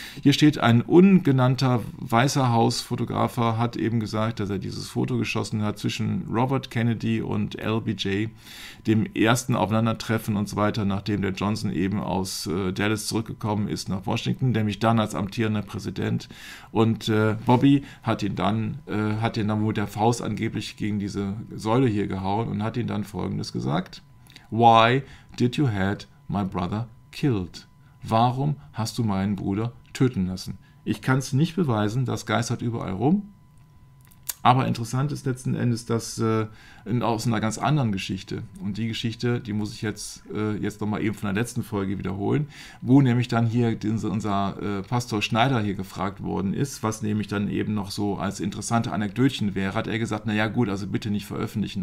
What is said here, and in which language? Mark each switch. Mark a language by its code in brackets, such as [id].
[de] Hier steht ein ungenannter weißer Hausfotografer, hat eben gesagt, dass er dieses Foto geschossen hat zwischen Robert Kennedy und LBJ, dem ersten Aufeinandertreffen und so weiter, nachdem der Johnson eben aus Dallas zurückgekommen ist nach Washington, nämlich dann als amtierender Präsident. Und Bobby hat ihn dann mit der Faust angeblich gegen diese Säule hier gehauen und hat ihn dann Folgendes gesagt. [en] Why did you had my brother killed? [de] Warum hast du meinen Bruder töten lassen? Ich kann es nicht beweisen, das geistert überall rum. Aber interessant ist letzten Endes, aus einer ganz anderen Geschichte. Und die Geschichte, die muss ich jetzt nochmal eben von der letzten Folge wiederholen, wo nämlich dann hier unser Pastor Schneider hier gefragt worden ist, was nämlich dann eben noch so als interessante Anekdötchen wäre, hat er gesagt, naja gut, also bitte nicht veröffentlichen.